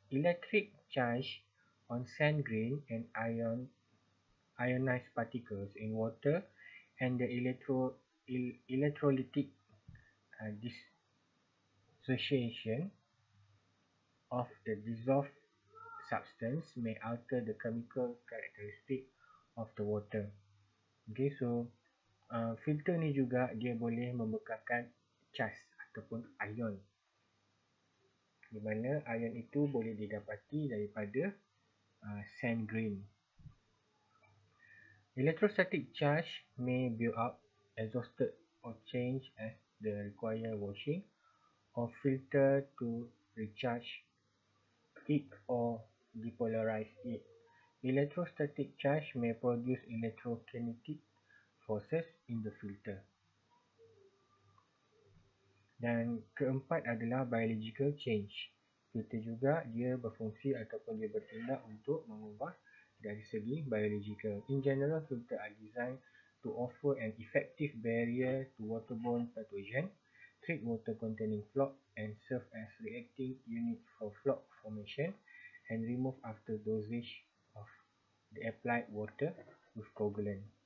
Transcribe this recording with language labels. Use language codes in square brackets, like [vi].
[en] Electric charge on sand grain and ionized particles in water and the electrolytic dissociation of the dissolved substance may alter the chemical characteristic of the water. [ms] Okay, so filter ni juga dia boleh membekalkan charge ataupun ion, di mana ion itu boleh didapati daripada sand grain. [en] Electrostatic charge may build up, exhausted or change as the required washing or filter to recharge it or depolarize it. Electrostatic charge may produce electrokinetic forces in the filter. [ms] Dan keempat adalah biological change. Filter juga dia berfungsi ataupun dia bertindak untuk mengubah dari segi biological. [en] In general, filter are designed to offer an effective barrier to waterborne pathogen, treat water containing plaque and serve as reacting unit for plaque formation and remove after dosage of the applied water with coagulant.